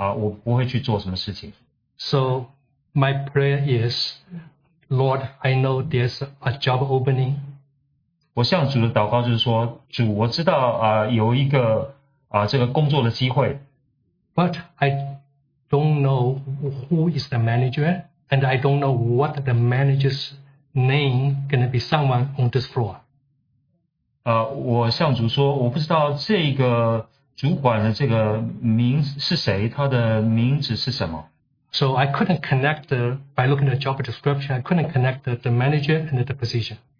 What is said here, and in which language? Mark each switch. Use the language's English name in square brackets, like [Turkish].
[Chinese] 但是这次我就说，如果没有从神来的这个确认的应允，我不会去做什么事情。 [English] So my prayer is, Lord, I know there's a job opening. [Chinese] 我向主的祷告就是说，主，我知道有一个这个工作的机会。 [English] But I don't know who is the manager, and I don't know what the manager's name gonna be someone on this floor. [Chinese] 我向主说，我不知道这个主管的这个名是谁，他的名字是什么。 [English] So I couldn't connect by looking at the job description, I couldn't connect the manager and the position.